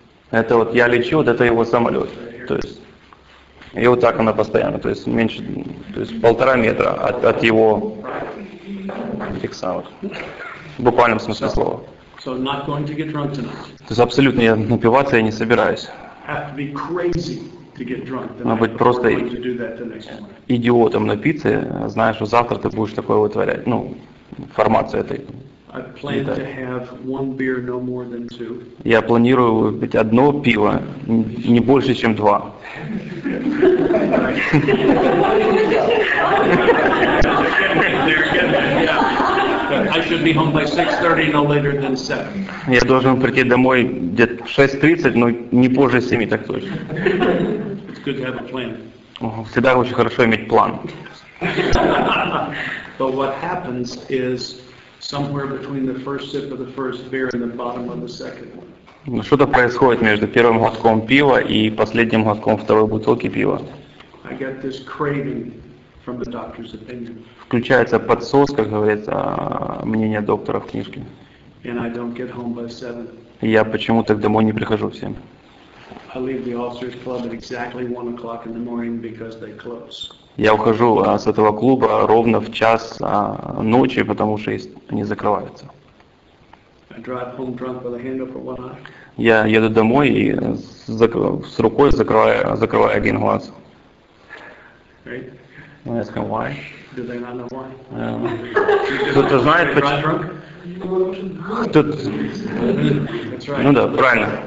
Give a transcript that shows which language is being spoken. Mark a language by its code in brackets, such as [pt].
[ru] Это вот я лечу, вот это его самолет. То есть, и вот так она постоянно, то есть меньше, то есть полтора метра от его этих самых. В буквальном смысле слова. То есть абсолютно я напиваться я не собираюсь. Надо быть просто идиотом напиться, зная, что завтра ты будешь такое вытворять. Ну, формация этой. [en] I plan to have one beer, no more than two. [ru] Я планирую выпить одно пиво, не больше, чем два. [en] I should be home by 6:30, no later than 7. [ru] Я должен прийти домой где-то в 6:30, но не позже 7, так точно. [en] It's good to have a plan. [ru] Всегда очень хорошо иметь план. [en] But what happens is somewhere between the first sip of the first beer and the bottom of the second one. [ru] Что-то происходит между первым глотком пива и последним глотком второй бутылки пива. [en] I get this craving from the doctor's opinion. [ru] Включается подсос, как говорится, мнение доктора в книжке. [en] And I don't get home by 7. [ru] Я почему-то домой не прихожу в 7. [en] I leave the officers club at exactly 1 o'clock in the morning because they close. [ru] Я ухожу с этого клуба ровно в час ночи, потому что они закрываются. [en] I drive home drunk with a hand over one eye. [ru] Я еду домой и с рукой закрываю один глаз. [en] Right. I ask him why. Do they not know why? [ru] Кто-то знает почему? [en] Right. [ru] Ну да, правильно.